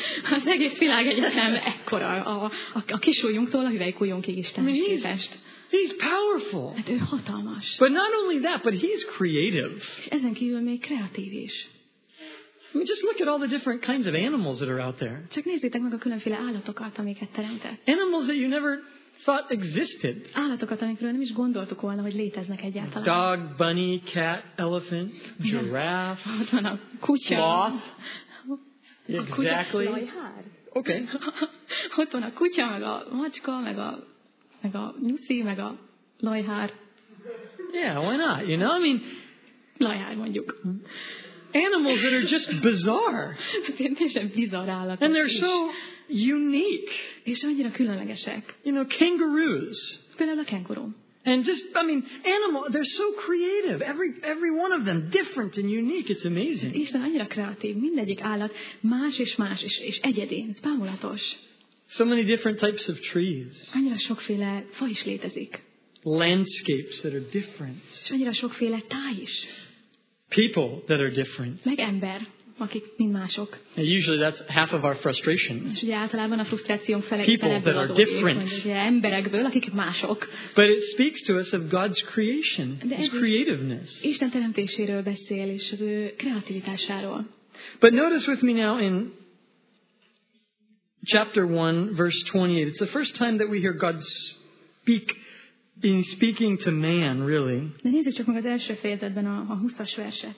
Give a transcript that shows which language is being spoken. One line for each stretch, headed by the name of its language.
Hungarian: az egész világegyetem ekkora a kisujjunktól a hüvelykujjunkig Istenhez képest.
English: He's powerful.
Hungarian: Hát ő hatalmas.
English: But not only that, but he's creative.
Hungarian: És ezen kívül még kreatív is.
English: I mean, just look at all the different kinds of animals that are out there.
Hungarian: Csak nézzétek meg a különféle állatokat, amiket teremtett.
English: Animals that you never thought existed.
Hungarian: Állatokat, amikről nem is gondoltuk volna, hogy léteznek egyáltalán.
English: Dog, bunny, cat, elephant, giraffe.
Hungarian: Ott van a kutya.
English: Sloth. Exactly. Okay.
Hungarian: Ott van a kutya, meg a macska, meg a nyuszi, meg a lajhár.
English: Yeah, why not? You know, I mean,
Hungarian: lajhár mondjuk.
English: Animals that are just bizarre.
Hungarian: Teljesen bizarr állatok.
English: And they're so unique.
Hungarian: És annyira különlegesek.
English: You know, kangaroos.
Hungarian: Például a kenguru.
English: And just, I mean, animal, they're so creative. Every one of them different and unique. It's amazing.
Hungarian: Isten annyira kreatív. Mindegyik állat más, és egyedi. Ez bámulatos.
English: So many different types of trees.
Hungarian: Annyira sokféle fa is létezik.
English: Landscapes that are different.
Hungarian: És annyira sokféle táj is.
English: People that are different.
Hungarian: Meg ember, akik mind mások.
English: And usually that's half of our frustration.
Hungarian: És ugye általában a frusztrációnk felé.
English: People that are different.
Hungarian: Emberekből, akik mások.
English: But it speaks to us of God's creation, His creativeness.
Hungarian: Isten teremtéséről beszél, és az ő kreativitásáról.
English: But notice with me now in chapter 1, verse 28. It's the first time that we hear God speak. In speaking to man, really.
Hungarian: De nézzük csak meg az első fejezetben a 20-as verset.